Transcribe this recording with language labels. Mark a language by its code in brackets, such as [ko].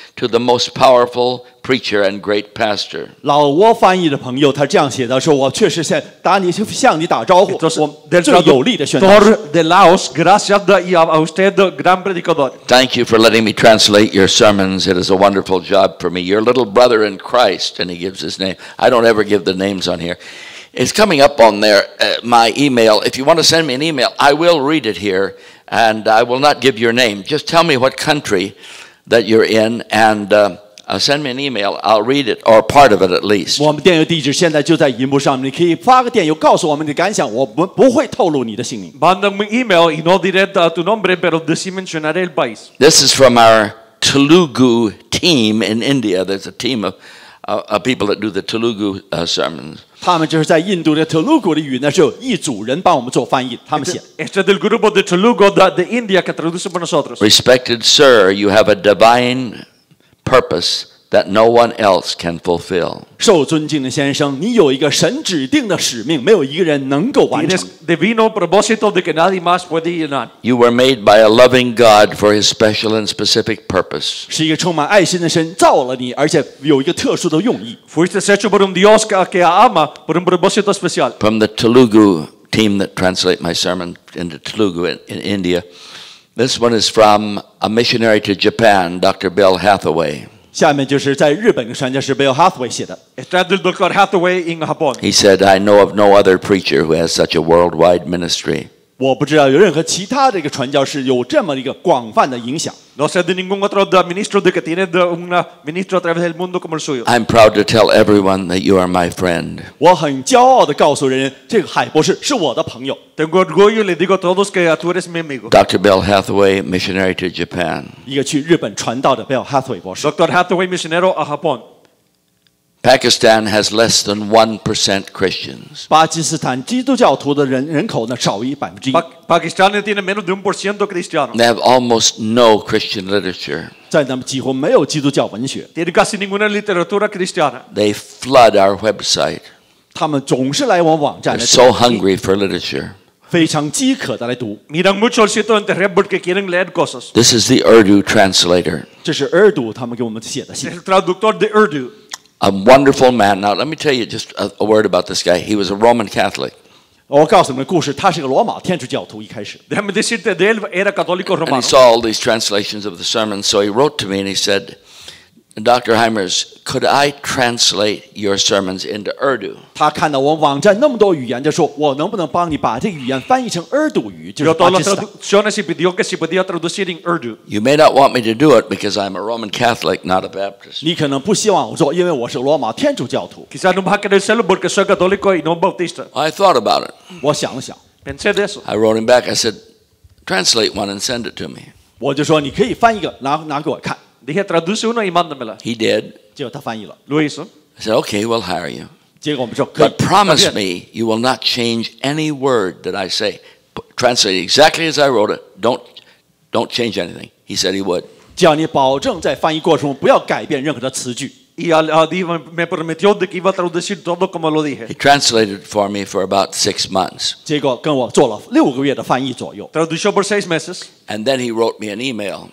[en] to the most powerful preacher and great pastor. [zh] 老挝翻译的朋友他这样写的说我确实向打你向你打招呼我最有力的宣道。 [es] Doctor de Laos, gracias y a usted, gran predicador. [en] Thank you for letting me translate your sermons. It is a wonderful job for me. Your little brother in Christ, and he gives his name. I don't ever give the names on here. It's coming up on there, my email. If you want to send me an email, I will read it here, and I will not give your name. Just tell me what country that you're in, and send me an email. I'll read it, or part of it at least. [zh] 我们电邮地址现在就在荧幕上，你可以发个电邮告诉我们的感想，我不会透露你的姓名。 [es] Mándame un email y no diré tu nombre, pero sí mencionaré el país. [en] This is from our Telugu team in India. There's a team of people that do the Telugu sermons. [zh] 他们就是在印度的特鲁古的语呢，是有一组人帮我们做翻译。他们写 [es] ：Este del grupo de Telugu de India que traduce para nosotros. [en] Respected sir, you have a divine purpose that no one else can fulfill. [zh] 受尊敬的先生，你有一个神指定的使命，没有一个人能够完成。 [es] Divino propósito de que nadie más puede llenar. [en] You were made by a loving God for His special and specific purpose. [zh] 是一个充满爱心的神造了你，而且有一个特殊的用意。 [es] Fuiste hecho por un Dios que ama por un propósito especial. [en] From the Telugu team that translate my sermon into Telugu in India, this one is from a missionary to Japan, Dr. Bill Hathaway. [zh] 下面就是在日本的传教士 Bill Hathaway 写的。 [en] He said, "I know of no other preacher who has such a worldwide ministry." [zh] 我不知道有任何其他的一个传教士有这么一个广泛的影响。 [es] No sé de ningún otro ministro que tiene un ministro a través del mundo como el suyo. [en] I'm proud to tell everyone that you are my friend. [zh] 我很骄傲的告诉人，这个海博士是我的朋友。 [es] Tengo orgullo y le digo a todos que tú eres mi amigo. [en] Dr. Bill Hathaway, missionary to Japan. [zh] 一个去日本传道的 Bill Hathaway 博士。 [es] Dr. Hathaway, misionero a Japón. [en] Pakistan has less than 1% Christians. [zh] 巴基斯坦基督教徒的人口呢少于百分之一。 [es] Pakistan tiene menos de 1% cristiano. [en] They have almost no Christian literature. [zh] 在他们几乎没有基督教文学。 [es] Tiene casi ninguna literatura cristiana. [en] They flood our website. [zh] 他们总是来我网站。 [en] They're so hungry for literature. [zh] 非常饥渴的来读。 [es] Miran mucho el sitio internet porque quieren leer cosas. [en] This is the Urdu translator. [zh] 这是 Urdu 他们给我们写的信。 [es] El traductor de Urdu. [en] A wonderful man. Now, let me tell you just a word about this guy. He was a Roman Catholic. [zh] 我告诉你们故事，他是个罗马天主教徒。一开始 [en] ，Let me tell you that he was a Catholic Roman. And he saw all these translations of the sermons, so he wrote to me and he said, "Dr. Hymers, could I translate your sermons into Urdu?" [zh] 他看到我网站那么多语言，就说我能不能帮你把这语言翻译成 Urdu 语，就是巴基斯坦。 [es] Yo no sé si yo que si podía traducir en Urdu. [en] You may not want me to do it because I'm a Roman Catholic, not a Baptist. [zh] 你可能不希望我做，因为我是罗马天主教徒。 [es] Quizá no me haga decirlo porque soy católico y no bautista. [en] I thought about it. [zh] 我想了想。 [es] Pensé de eso. [en] I wrote him back. I said, "Translate one and send it to me." [zh] 我就说你可以翻一个，拿给我看。 [es] Dije, traduce uno y mándamela. [en] He did. [zh] 结果他翻译了。 [es] Lo hizo. [en] I said, "Okay, we'll hire you." [zh] 结果我们说 [en] But promise me you will not change any word that I say. Translate exactly as I wrote it. Don't change anything. He said he would. [zh] 叫你保证在翻译过程中不要改变任何的词句。 [en] He translated for me for about 6 months. [zh] 结果跟我做了六个月的翻译左右。 [es] Tradujo por seis meses. [en] And then he wrote me an email.